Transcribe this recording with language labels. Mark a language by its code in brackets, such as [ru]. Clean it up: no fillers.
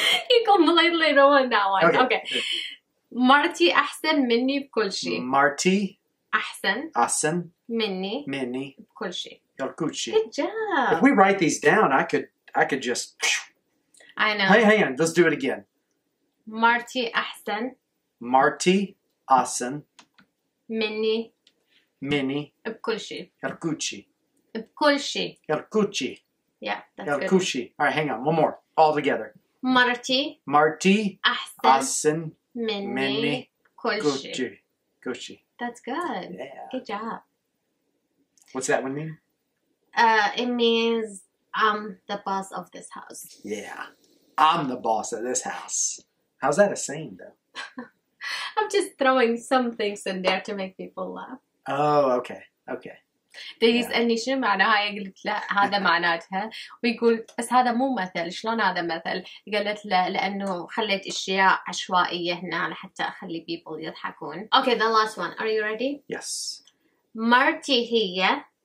[en] You completely ruined that one. Okay. [ar] Marty أحسن مني بكل شيء. Marty أحسن. أحسن. مني. مني. بكل شيء. بكل شيء. [en] Good job. If we write these down, I could just. I know. Hey, hang on. Let's do it again. [ar] Marty أحسن. Marty أحسن. مني. مني. بكل شيء. بكل شيء. بكل شيء. بكل شيء. [en] Yeah, that's good. Kushi. All right, hang on. One more. All together. Marty. Marty. [ar] Ahsen. Ahsen. Minni. Kushi. Kushi. [en] That's good. Yeah. Good job. What's that one mean? It means I'm the boss of this house. Yeah. I'm the boss of this house. How's that a saying, though? I'm just throwing some things in there to make people laugh. Oh, okay. Okay. [ar] ده يسألني شنو معناها قلت له هذا معناتها ويقول بس هذا مو مثل شلون هذا مثل قلت له لأنه خليت أشياء عشوائية هنا حتى أخلي people يضحكون. [en] Okay, the last one. Are you ready? Yes. [ar] مارتي هي.